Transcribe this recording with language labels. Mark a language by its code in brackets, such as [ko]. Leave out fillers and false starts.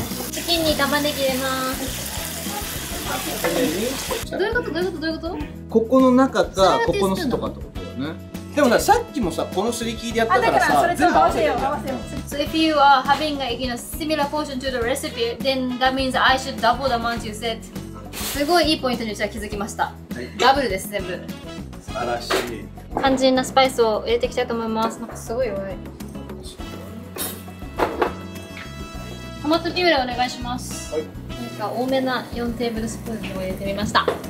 [ja] チキンに玉ねぎ入れます。どういうこと、どういうこと、どういうこと。ここの中か、ここの外かってことだよね。でもさ、さっきもさ、このすり切りでやったからさ、だからそれと全部合わせよう。 [en] So if you are having a, you know, similar portion to the recipe, then that means I should double the amount you said. [ja] すごいいいポイントにうちは気づきました、はい、ダブルです、全部。素晴らしい。肝心なスパイスを入れていきたいと思います。なんかすごい弱い。トマトピューレお願いします。はい、多めな4テーブルスプーンを入れてみました。